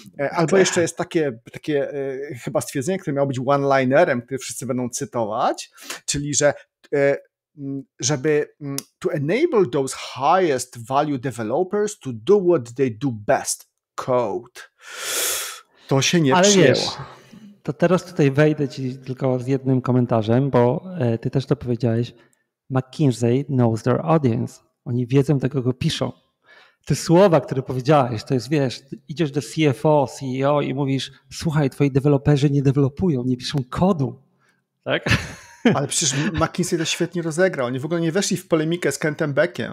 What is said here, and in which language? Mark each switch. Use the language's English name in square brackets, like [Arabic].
[Polish] Albo jeszcze jest takie chyba stwierdzenie, które miało być one-linerem, które wszyscy będą cytować, czyli że żeby [English] to enable those highest value developers to do what they do best, code. [Polish] To się nie ale przyjęło. Wiesz, to teraz tutaj wejdę ci tylko z jednym komentarzem, bo ty też to powiedziałeś. [English] McKinsey knows their audience. [Polish] Oni wiedzą, do kogo piszą. Te słowa, które powiedziałeś, to jest, wiesz, idziesz do CFO, CEO i mówisz, słuchaj, twoi deweloperzy nie dewelopują, nie piszą kodu. Tak? Ale przecież McKinsey to świetnie rozegrał. Oni w ogóle nie weszli w polemikę z Kentem Beckiem.